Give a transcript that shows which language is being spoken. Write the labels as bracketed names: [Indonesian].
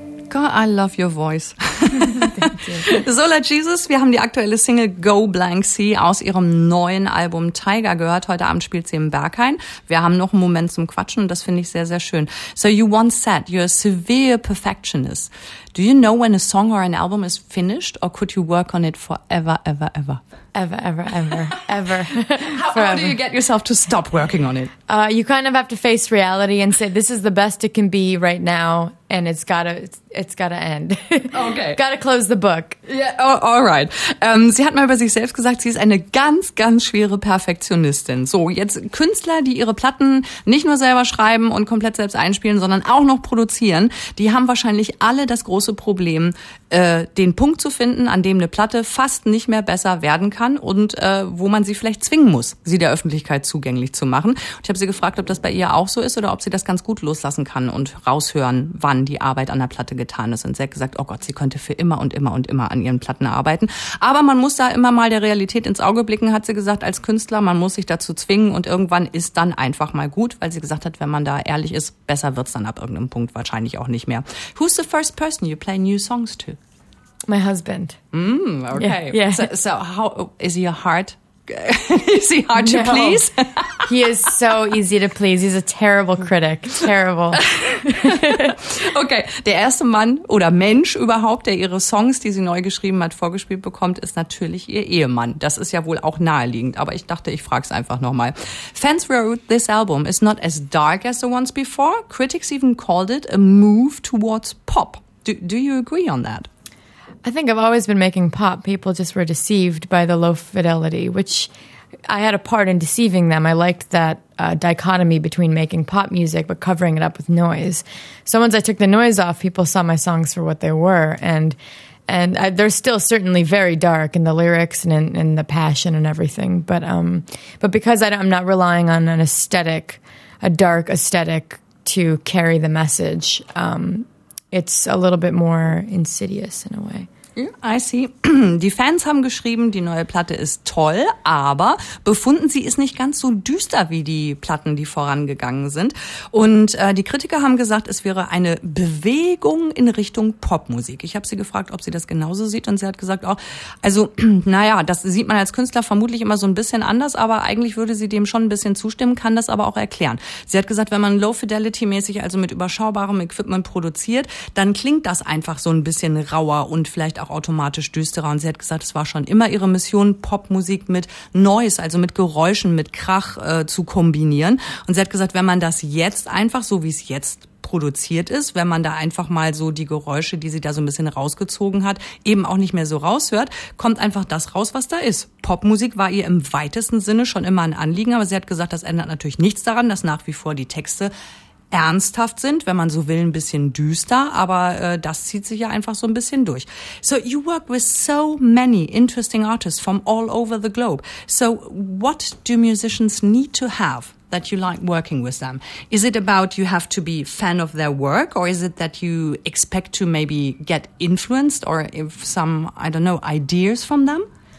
[English] God, I love your voice. [German] Sola Jesus, wir haben die aktuelle Single Go Blank Sea aus ihrem neuen Album Tiger gehört. Heute Abend spielt sie im Berghain. Wir haben noch einen Moment zum Quatschen und das finde ich sehr, sehr schön. [English] So you once said you're a severe perfectionist. Do you know when a song or an album is finished or could you work on it forever, ever, ever? Ever, ever, ever, ever. How do you get yourself to stop working on it? You kind of have to face reality and say, this is the best it can be right now, and it's gotta end. Okay. Gotta close the book. Yeah, all right. [German] Sie hat mal über sich selbst gesagt, sie ist eine ganz, ganz schwere Perfektionistin. So, jetzt Künstler, die ihre Platten nicht nur selber schreiben und komplett selbst einspielen, sondern auch noch produzieren, die haben wahrscheinlich alle das große Problem, den Punkt zu finden, an dem eine Platte fast nicht mehr besser werden kann und wo man sie vielleicht zwingen muss, sie der Öffentlichkeit zugänglich zu machen. Und ich habe sie gefragt, ob das bei ihr auch so ist oder ob sie das ganz gut loslassen kann und raushören, wann die Arbeit an der Platte getan ist. Und sie hat gesagt, oh Gott, sie könnte für immer und immer und immer an ihren Platten arbeiten. Aber man muss da immer mal der Realität ins Auge blicken, hat sie gesagt, als Künstler. Man muss sich dazu zwingen und irgendwann ist dann einfach mal gut, weil sie gesagt hat, wenn man da ehrlich ist, besser wird's dann ab irgendeinem Punkt wahrscheinlich auch nicht mehr. [English] Who's the first person you play new songs to? My husband. Okay. Yeah. So how is he a hard? Is he hard to please? He is so easy to please. He's a terrible critic. Terrible. Okay. [German] Der erste Mann oder Mensch überhaupt, der ihre Songs, die sie neu geschrieben hat, vorgespielt bekommt, ist natürlich ihr Ehemann. Das ist ja wohl auch naheliegend. Aber ich dachte, ich frage es einfach nochmal. [English] Fans wrote, this album is not as dark as the ones before. Critics even called it a move towards pop. Do you agree on that? I think I've always been making pop. People just were deceived by the low fidelity, which I had a part in deceiving them. I liked that dichotomy between making pop music but covering it up with noise. So once I took the noise off, people saw my songs for what they were. And they're still certainly very dark in the lyrics and in the passion and everything. But because I'm not relying on an aesthetic, a dark aesthetic to carry the message, it's a little bit more insidious in a way. Yeah, I see. [German] Die Fans haben geschrieben, die neue Platte ist toll, aber befunden sie ist nicht ganz so düster wie die Platten, die vorangegangen sind. Und die Kritiker haben gesagt, es wäre eine Bewegung in Richtung Popmusik. Ich habe sie gefragt, ob sie das genauso sieht und sie hat gesagt, auch. Also naja, das sieht man als Künstler vermutlich immer so ein bisschen anders, aber eigentlich würde sie dem schon ein bisschen zustimmen, kann das aber auch erklären. Sie hat gesagt, wenn man Low Fidelity mäßig, also mit überschaubarem Equipment produziert, dann klingt das einfach so ein bisschen rauer und vielleicht auch automatisch düsterer. Und sie hat gesagt, es war schon immer ihre Mission, Popmusik mit Noise, also mit Geräuschen, mit Krach zu kombinieren. Und sie hat gesagt, wenn man das jetzt einfach, so wie es jetzt produziert ist, wenn man da einfach mal so die Geräusche, die sie da so ein bisschen rausgezogen hat, eben auch nicht mehr so raushört, kommt einfach das raus, was da ist. Popmusik war ihr im weitesten Sinne schon immer ein Anliegen, aber sie hat gesagt, das ändert natürlich nichts daran, dass nach wie vor die Texte ernsthaft sind, wenn man so will, ein bisschen düster, aber das zieht sich ja einfach so ein bisschen durch. [English] So you work with so many interesting artists from all over the globe. So what do musicians need to have that you like working with them? Is it about you have to be a fan of their work, or is it that you expect to maybe get influenced or if some, I don't know, ideas from them?